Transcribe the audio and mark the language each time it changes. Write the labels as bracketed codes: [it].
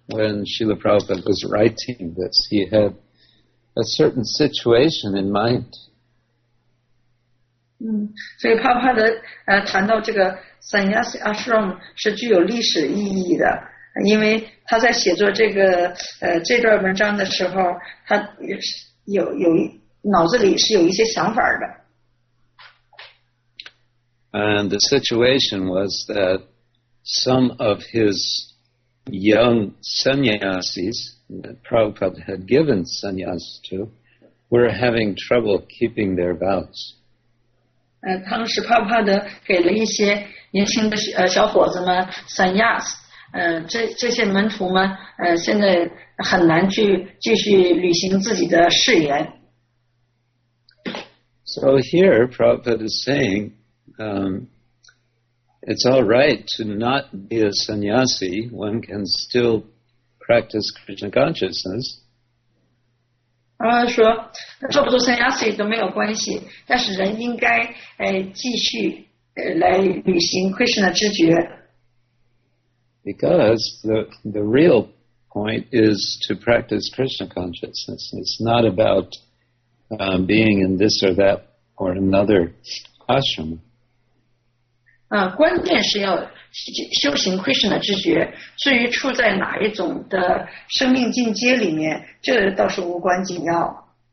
[en] When Srila Prabhupada was writing this, he had a certain situation in mind. [zh] 所以帕帕德谈到这个 Sannyas Ashram 是具有历史意义的，因为他在写作这个这段文章的时候，他有脑子里是有一些想法的。 [en] And the situation was thatSome of his young sannyasis that Prabhupada had given sannyas to were having trouble keeping their vows. [zh] 当时帕帕德给了一些年轻的小伙子们 sannyas, 这些门徒们现在很难去继续履行自己的誓言。 [en] So here Prabhupada is saying,It's all right to not be a sannyasi. One can still practice Krishna consciousness. [zh] 说做不做 sannyasi 都没有关系，但是人应该继续来履行 Krishna 知觉。 [en] Because the real point is to practice Krishna consciousness. It's not about being in this or that or another ashram. [zh] 关键是要修行 Krishna 知觉，至于处在哪一种的生命境界里面，这倒是无关紧要。